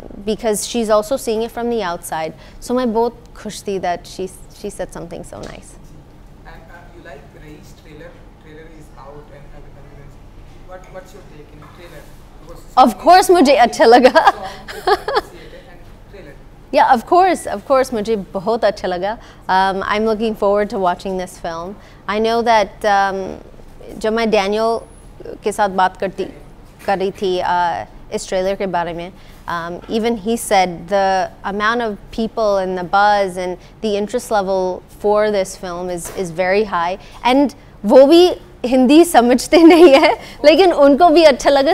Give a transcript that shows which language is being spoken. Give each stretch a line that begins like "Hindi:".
English: Because she's also seeing it from the outside, so my both khushi that she said something so nice. And you like Raees trailer is out and everything. What's your take in trailer?
Hindi: Of course मुझे अच्छा लगा.
English: Yeah, of course,
Hindi: मुझे बहुत अच्छा लगा.
English: I'm looking forward to watching this film. I know that
Hindi: जब मैं Daniel के साथ बात कर रही थी इस ट्रेलर के बारे में,
English: even he said the amount of people and the buzz and the interest level for this film is very high.
Hindi: And वो भी हिंदी समझते नहीं है, लेकिन उनको भी अच्छा लगा.